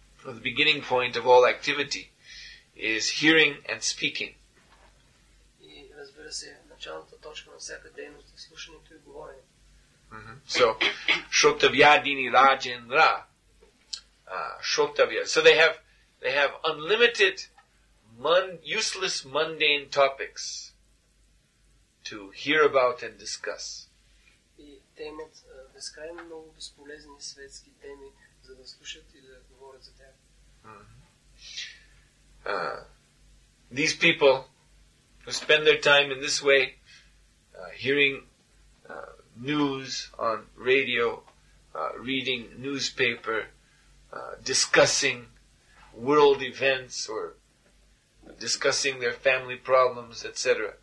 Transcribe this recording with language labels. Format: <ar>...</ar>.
<en>the beginning point of all activity is hearing and speaking.</en> <bg>И разбира се, началната точка на всяка дейност е слушането и говорене.</bg> <en>So,</en> <sa>Shrotavyadini Rajendra. Shrotavya.</sa> <en>So they have unlimited useless mundane topics to hear about and discuss.</en> <bg>И те имат безкрайно много безполезни светски теми за да слушат и да говорят за тях.</bg> <en>These people who spend their time in this way hearing news on radio, reading newspaper, discussing world events or discussing their family problems, etc.</en>